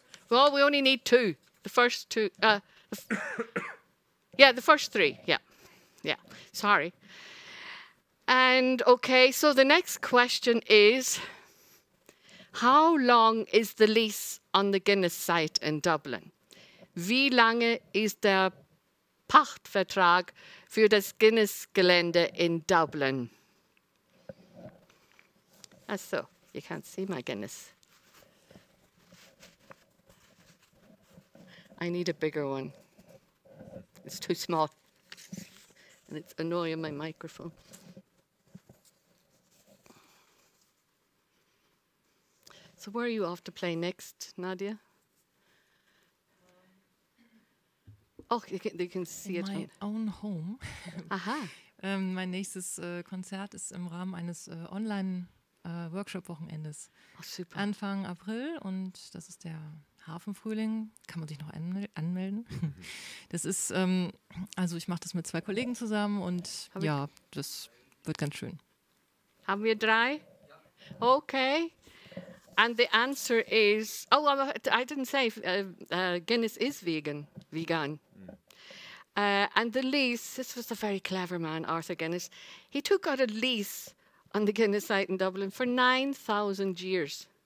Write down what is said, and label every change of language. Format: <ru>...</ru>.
<en>Well, we only need two. The first two. the first three. Yeah. Sorry. And okay, so the next question is, how long is the lease on the Guinness site in Dublin?</en> <de>Wie lange ist der Pachtvertrag für das Guinness Gelände in Dublin?</de> <en>So you can't see my Guinness. I need a bigger one. It's too small. And it's annoying my microphone. So where are you off to play next, Nadia? Oh, you can see in it. My own home. Aha.</en> <de>Mein nächstes Konzert ist im Rahmen eines Online-Workshop-Wochenendes. Oh, super. Anfang April, und das ist der Hafenfrühling. Kann man sich noch anmelden? Das ist, also ich mache das mit zwei Kollegen zusammen, und das wird ganz schön. Haben wir drei? Ja. Okay.</de> <en>And the answer is, oh, I didn't say, Guinness is vegan. And the lease, this was a very clever man, Arthur Guinness. He took out a lease on the Guinness site in Dublin for 9,000 years.</en>